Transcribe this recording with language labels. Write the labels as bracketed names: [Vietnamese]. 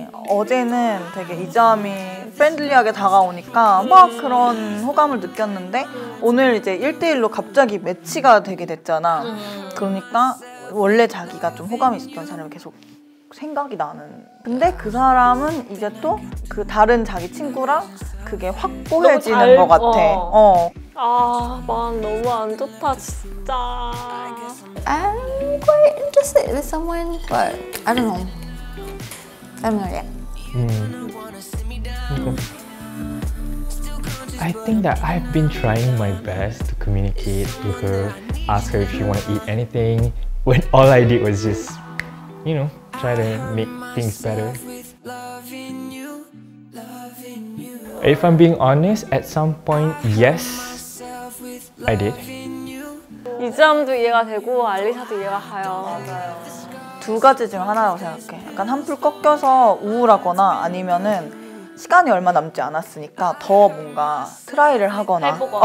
[Korean] 어제는 되게 이자미 프렌들리하게 다가오니까 막 그런 호감을 느꼈는데 오늘 이제 1대1로 갑자기 매치가 되게 됐잖아. 그러니까 원래 자기가 좀 호감이 있었던 사람이 계속 생각이 나는. 근데 그 사람은 이제 또 그 다른 자기 친구랑 그게 확고해지는 것 같아. 아, 마음 너무 안 좋다, 진짜. [English] I'm quite interested in someone, but I don't know. I'm not yet. I think that I've been trying my best to communicate to her, ask her if she want to eat anything, when all I did was just, you know, try to make things better. If I'm being honest, at some point, yes, I did. [Korean] 이지함도 이해가 되고 알리샤도 이해가 가요. 맞아요. 두 가지 중 하나라고 생각해. 약간 한풀 꺾여서 우울하거나 아니면은 시간이 얼마 남지 않았으니까 더 뭔가 트라이를 하거나.